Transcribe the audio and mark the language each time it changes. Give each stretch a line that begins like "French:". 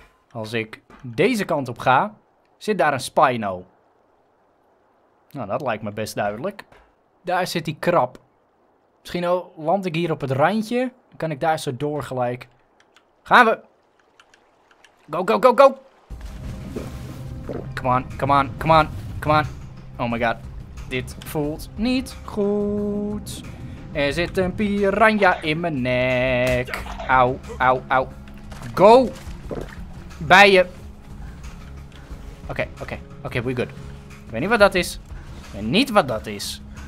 Dutch: Als ik deze kant op ga... Zit daar een spino? Nou, dat lijkt me best duidelijk. Daar zit die krab. Misschien land ik hier op het randje. Dan kan ik daar zo door gelijk. Gaan we!
English: Go, go, go, go! Come on, come on, come on, come on. Oh my god.
Dutch: Dit voelt niet goed. Er zit een piranha in mijn nek. Au, au, au.
English: Go!
Dutch: Bijen! Oké, okay, oké, okay, oké, okay,
English: we good.
Dutch: Ik weet niet wat dat is. Ik weet niet wat dat is.